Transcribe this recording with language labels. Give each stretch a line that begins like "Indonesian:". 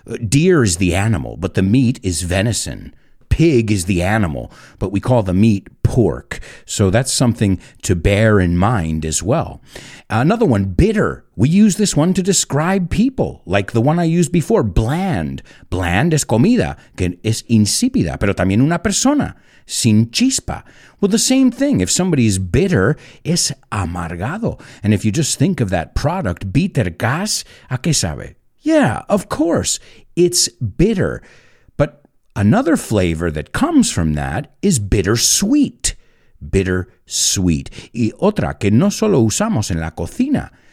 English: Deer is the animal, but the meat is venison. Pig is the animal, but we call the meat pork. So that's something to bear in mind as well. Another one, bitter. We use this one to describe people, like the one I used before, bland.
Spanish: Bland es comida, que es insípida, pero también una persona, sin chispa.
English: Well, the same thing. If somebody is bitter,
Spanish: es amargado.
English: And if you just think of that product, bitter gas,
Spanish: ¿a qué sabe?
English: Yeah, of course, it's bitter. Another flavor that comes from that is bittersweet. Bittersweet.
Spanish: Y otra que no solo usamos en la cocina.